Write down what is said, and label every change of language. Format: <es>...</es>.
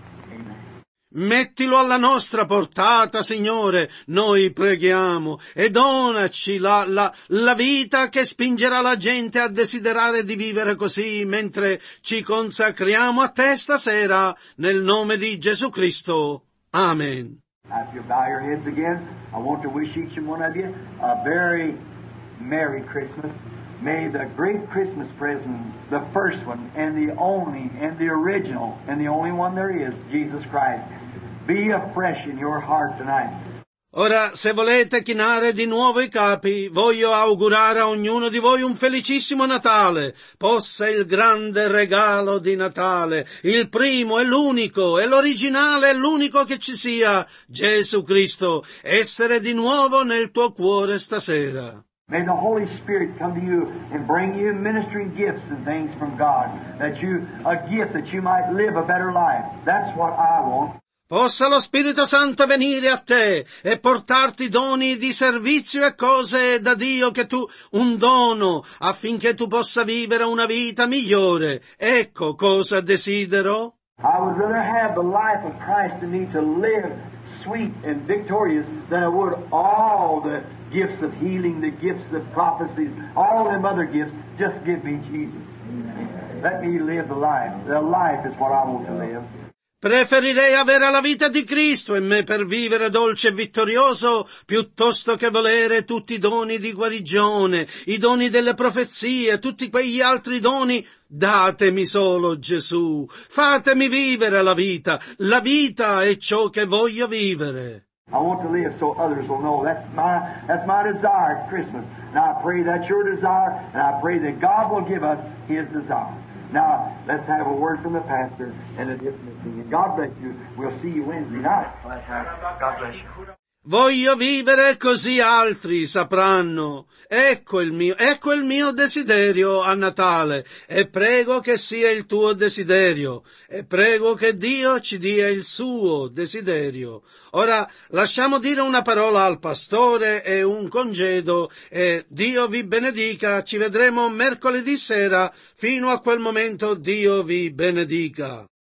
<en>Amen.</en> <it>Mettilo alla nostra portata, Signore, noi preghiamo, e donaci la vita che spingerà la gente a desiderare di vivere così, mentre ci consacriamo a te stasera, nel nome di Gesù Cristo. Amen.</it> <en>After you bow your heads again, I want to wish each and one of you a very Merry Christmas. May the great Christmas present, the first one, and the only, and the original, and the only one there is, Jesus Christ, be afresh in your heart tonight.</en> <it>Ora, se volete chinare di nuovo i capi, voglio augurare a ognuno di voi un felicissimo Natale. Possa il grande regalo di Natale, il primo e l'unico, e l'originale e l'unico che ci sia, Gesù Cristo, essere di nuovo nel tuo cuore stasera.</it> <en>May the Holy Spirit come to you and bring you ministering gifts and things from God, that you a gift that you might live a better life. That's what I want.</en> <it>Possa lo Spirito Santo venire a te e portarti doni di servizio e cose da Dio che tu un dono affinché tu possa vivere una vita migliore. Ecco cosa desidero.</it> <en>I would rather have the life of Christ in me to live sweet and victorious than I would all the gifts of healing, the gifts of prophecies, all them other gifts. Just give me Jesus. Let me live the life. The life is what I want to live.</en> <it>Preferirei avere la vita di Cristo in me per vivere dolce e vittorioso, piuttosto che volere tutti i doni di guarigione, i doni delle profezie, tutti quegli altri doni. Datemi solo Gesù, fatemi vivere la vita è ciò che voglio vivere.</it> <en>I want to live so others will know. That's my desire at Christmas. Now I pray that's your desire, and I pray that God will give us His desire. Now, let's have a word from the pastor and a dismissing. And God bless you. We'll see you Wednesday night. God bless you.</en> <it>Voglio vivere così altri sapranno. Ecco il mio desiderio a Natale, e prego che sia il tuo desiderio, e prego che Dio ci dia il suo desiderio. Ora lasciamo dire una parola al pastore e un congedo, e Dio vi benedica, ci vedremo mercoledì sera. Fino a quel momento Dio vi benedica.</it>